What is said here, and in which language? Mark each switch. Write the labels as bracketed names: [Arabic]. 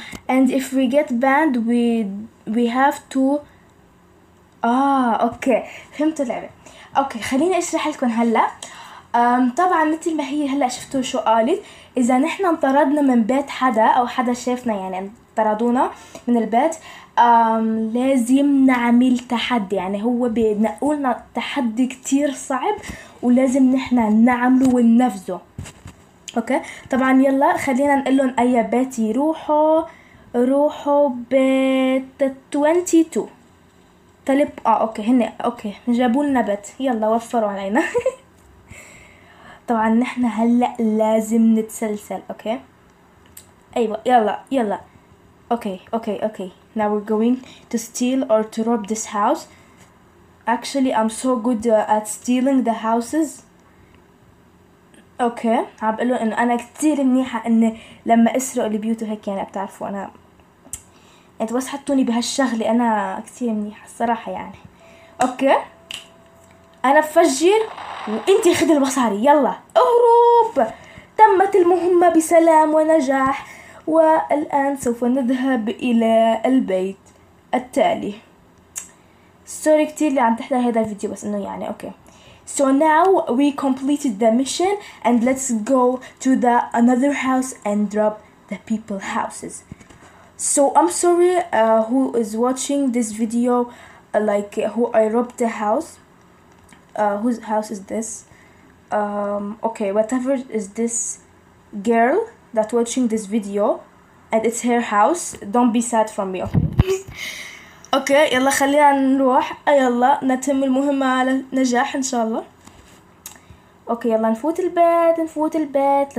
[English] And if we get banned we have to [Arabic] اوكي فهمت اللعبة. اوكي خليني اشرح لكم هلا. طبعا مثل ما هي هلا شفتوا شو قالت، اذا نحن انطردنا من بيت حدا او حدا شافنا يعني طردونا من البيت لازم نعمل تحدي، يعني هو بنقولنا تحدي كتير صعب ولازم نحنا نعمله وننفذه. اوكي طبعا يلا خلينا نقول لهم اي بيت يروحوا. روحوا بيت 22 طلب. اوكي هن اوكي جابوا لنا بيت، يلا وفروا علينا. طبعا نحنا هلا لازم نتسلسل. اوكي ايوه يلا يلا. Okay. [English] Now we're going to steal or to rob this house. Actually, I'm so good at stealing the houses. Okay. [Arabic] عم بقول لهم انه انا كثير منيحه اني لما اسرق البيوت وهيك يعني، بتعرفوا انا انت بس حطوني بهالشغله انا كثير منيحه الصراحه يعني. [English] Okay. [Arabic] انا بفجر وانت خذي المصاري، يلا اهرب. تمت المهمه بسلام ونجاح. والآن سوف نذهب إلى البيت التالي. سوري كتير اللي عم تحضر هذا الفيديو بس إنه يعني أوكي. [English] So now we completed the mission and let's go to the another house and drop the people houses. So I'm sorry who is watching this video like who I robbed the house. Whose house is this? Okay whatever is this girl that watching this video and it's her house, don't be sad from me. [Arabic] Okay يلا خلينا نروح. يلا نتم المهمة على نجاح ان شاء الله. Okay يلا نفوت البيت نفوت البيت.